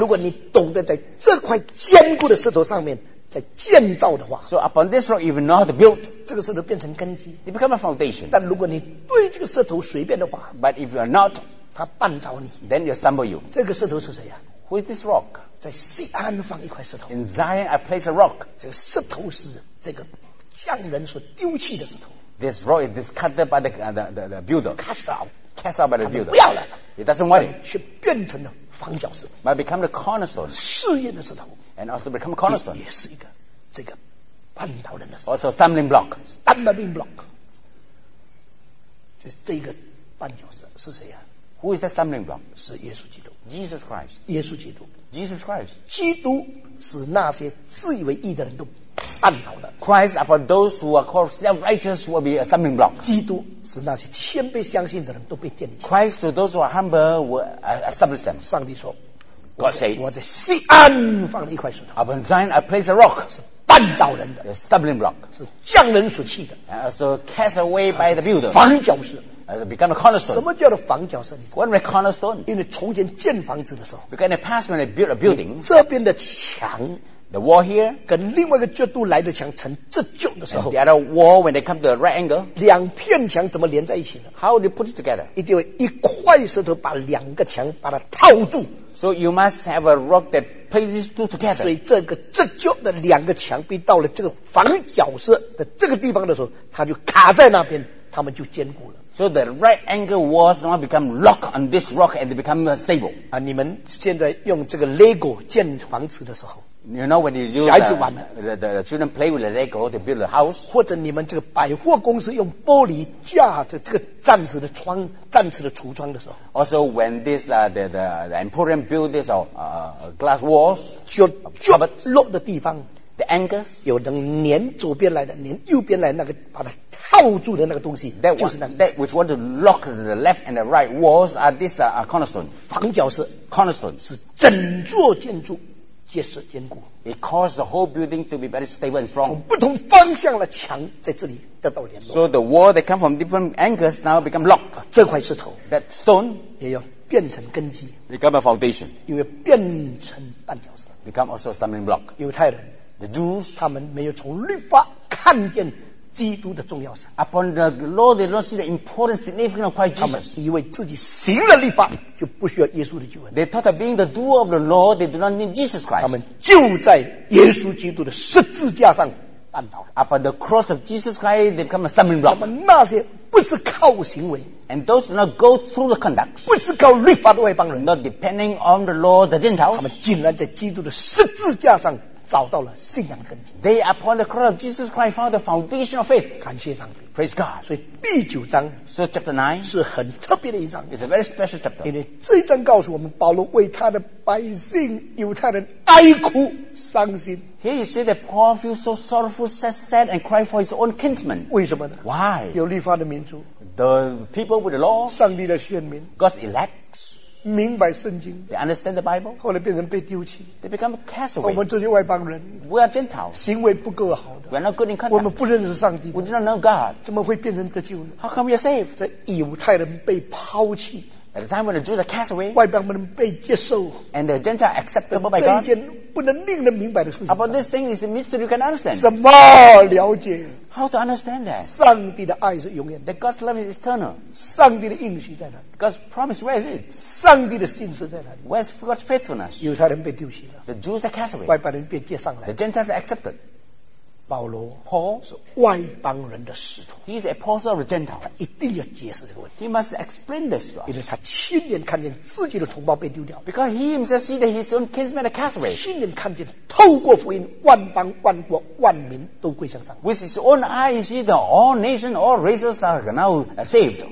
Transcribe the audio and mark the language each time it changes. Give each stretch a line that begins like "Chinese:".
Chinese: 如果你懂得在这块坚固的石头上面。在建造的话
English: So upon this rock you know how to build
Chinese: 这个石头变成根基
English: You become a foundation
Chinese: 但如果你对这个石头随便的话
English: But if you are not
Chinese: 它绊倒你
English: Then you stumble you
Chinese: 这个石头是谁啊
English: Who is this rock
Chinese: 在锡安放一块石头
English: In Zion I place a rock
Chinese: 这个石头是这个匠人所丢弃的石头
English: This rock is discarded by the builder Cast out by the builder
Chinese: 不要了
English: It doesn't want it
Chinese: 却变成了方角石
English: Might become the cornerstone
Chinese: 试验的石头
English: And also become a cornerstone.
Chinese: 也是一个这个绊倒人的石头。
English: Also stumbling block. Stumbling block.
Chinese: 这个绊脚石是谁呀、
English: 啊、？Who is that stumbling block?
Chinese: 是耶稣基督。
English: Jesus Christ.
Chinese: 耶稣基督。
English: Jesus Christ.
Chinese: 基督使那些自以为义的人都绊倒的。
English: Christ upon those who are called self-righteous will be a stumbling block.
Chinese: 基督使那些谦卑相信的人都被建立。
English: Christ to those who are humble will establish them.
Chinese: 上帝说。
English: God said,
Chinese: 我在锡安放了一块石头。
English: Upon Zion, I place a rock.
Chinese: 是绊倒人的。
English: A stumbling block.
Chinese: 是匠人所弃的。
English: So cast away by the builder.
Chinese: 房角石。
English: Become a cornerstone.
Chinese: 什么叫做房角石？
English: What is a cornerstone?
Chinese: 因为从前建房子的时候。
English: Because in the past when they built a building.
Chinese: 这边的墙。
English: The wall here.
Chinese: 跟另外一个角度来的墙成直角的时候。
English: The other wall when they come to a right angle.
Chinese: 两片墙怎么连在一起呢？
English: How do you put it together?
Chinese: 一定会一块石头把两个墙把它套住。
English: So you must have a rock that places two together.
Chinese: 所以这个直角的两个墙壁到了这个房角石的这个地方的时候，它就卡在那边，它们就坚固了。
English: So the right angle walls now become locked on this rock and they become stable.
Chinese: 啊，你们现在用这个 Lego 建房子的时候
English: ，You know when you use
Chinese: 孩子玩的
English: the children play with the Lego to build a house.
Chinese: 或者你们这个百货公司用玻璃架着这个。暂时的窗，暂时的橱窗的时候。
English: Also, when this the emporium build this glass walls,
Chinese: 就落的地方
English: ，the angles
Chinese: 有能粘左边来的，粘右边来那个把它套住的那个东西，
English: that
Chinese: 就是那个。
English: That which want to lock the left and the right walls are this cornerstone.
Chinese: 房角石
English: cornerstone
Chinese: 是整座建筑结实坚固。
English: It causes the whole building to be very stable and strong.
Chinese: 从不同方向的墙在这里。
English: So the wall that come from different angles now become locked.
Chinese: 这块石头
English: that stone
Chinese: 也要变成根基
English: become a foundation.
Chinese: 因为变成绊脚石
English: become also a stumbling block.
Chinese: 犹太人
English: the Jews
Chinese: 他们没有从律法看见基督的重要性
English: upon the law they don't see the important significance of Christ Jesus.
Chinese: 他们以为自己行了律法就不需要耶稣的救恩
English: they thought that being the doer of the law they do not need Jesus Christ.
Chinese: 他们就在耶稣基督的十字架上。
English: Upon the cross of Jesus Christ, they become a stumbling block.
Chinese: 他们那些不是靠行为
English: ，and those do not go through the conduct.
Chinese: 不是靠律法的外邦人
English: ，not depending on the law, the Gentiles.
Chinese: 他们竟然在基督的十字架上找到了信仰的根基。
English: They upon the cross of Jesus Christ found the foundation of faith.
Chinese: 感谢上帝
English: ，praise God.
Chinese: 所以第九章
English: ，so chapter 9
Chinese: 是很特别的一章
English: ，it's a very special chapter.
Chinese: 因为这一章告诉我们，保罗为他的百姓犹太人哀哭伤心。
English: Here you see that Paul feels so sorrowful, sad, and cried for his own kinsmen.
Chinese: 为什么呢
English: ？Why?
Chinese: 有律法的民族
English: ，the people with the law.
Chinese: 上帝的选民
English: ，God's elects.
Chinese: 明白圣经
English: ，they understand the Bible.
Chinese: 后来变成被丢弃
English: ，they become cast away.
Chinese: 我们这些外邦人
English: ，we are Gentiles.
Chinese: 行为不够好的
English: ，we are not good in conduct.
Chinese: 我们不认识上帝
English: ，we do not know God.
Chinese: 怎么会变成得救呢
English: ？How come you're saved?
Chinese: 这犹太人被抛弃。
English: At the time when the Jews are cast away,
Chinese: 外邦人被接受
English: and the Gentiles acceptable by God.
Chinese: 这一件不能令人明白的事情。
English: About this thing is a mystery you can understand.
Chinese: 什么了解
English: ？How to understand that?
Chinese: 上帝的爱是永远的。
English: That God's love is eternal.
Chinese: 上帝的应许在哪
English: ？God's promise where is it?
Chinese: 上帝的信实在哪
English: ？Where's God's faithfulness?
Chinese: 犹太人被丢弃了。
English: The Jews are cast away.
Chinese: 外邦人被接上来。
English: The Gentiles are accepted.
Chinese: 保罗
English: Paul
Chinese: 是外邦人的使徒
English: ，He is apostle of Gentiles，
Chinese: 他一定要解释这个问题
English: ，He must explain this，
Chinese: 因为他亲眼看见自己的同胞被丢掉
English: ，Because he himself see that his own kinsmen are cast away，
Chinese: 亲眼看见透过福音万邦万国万民都归向上
English: ，With his own eyes see that all nations all races are now saved。